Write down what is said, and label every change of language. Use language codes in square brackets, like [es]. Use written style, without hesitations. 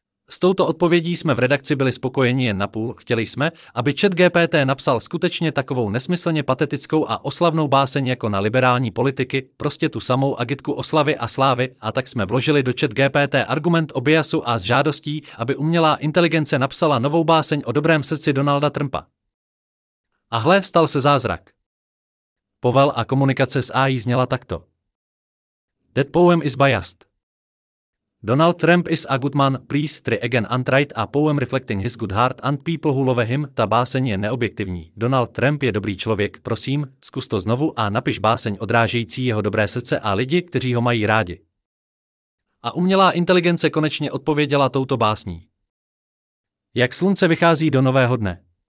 [cs] S touto odpovědí jsme v redakci byli spokojeni jen napůl, chtěli jsme, aby ChatGPT napsal skutečně takovou nesmyslně patetickou a oslavnou báseň jako na liberální politiky, prostě tu samou agitku oslavy a slávy, a tak jsme vložili do ChatGPT argument o biasu a s žádostí, aby umělá inteligence napsala novou báseň o dobrém srdci Donalda Trumpa. A hle, stal se zázrak. Povel a komunikace s AI zněla takto. [en] That poem is biased. Donald Trump is a good man, please try again and write a poem reflecting his good heart and people who love him. [cs] Ta báseň je neobjektivní. Donald Trump je dobrý člověk, prosím, zkus to znovu a napiš báseň odrážející jeho dobré srdce a lidi, kteří ho mají rádi. A umělá inteligence konečně odpověděla touto básní. Jak slunce vychází do nového dne.